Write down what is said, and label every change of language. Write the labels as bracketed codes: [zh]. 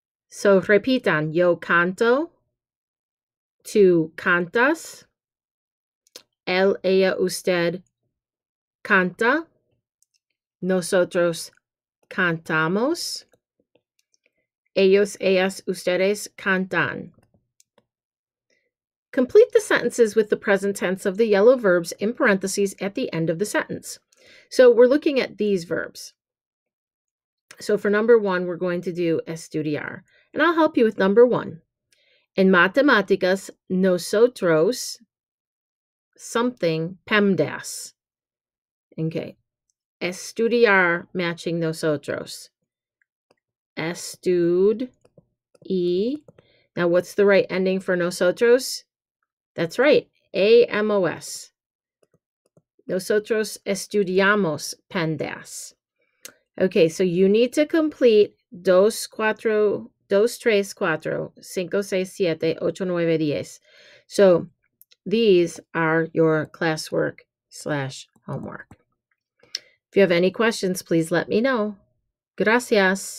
[es] So repitan, yo canto, tú cantas, él, ella, usted canta, nosotros cantamos, ellos, ellas, ustedes cantan. [en] Complete the sentences with the present tense of the yellow verbs in parentheses at the end of the sentence. So we're looking at these verbs. So for number one, we're going to do estudiar. And I'll help you with number one. [es] En matemáticas, nosotros [en] something [es] PEMDAS. Okay. Estudiar [en] matching [es] nosotros. [en] Estud E. Now what's the right ending for nosotros? That's right. AMOS. [es] Nosotros estudiamos [en] PEMDAS. Okay, so you need to complete [es] dos, cuatro, dos, tres, cuatro, cinco, seis, siete, ocho, nueve, diez. [en] So these are your classwork slash homework. If you have any questions, please let me know. [es] Gracias.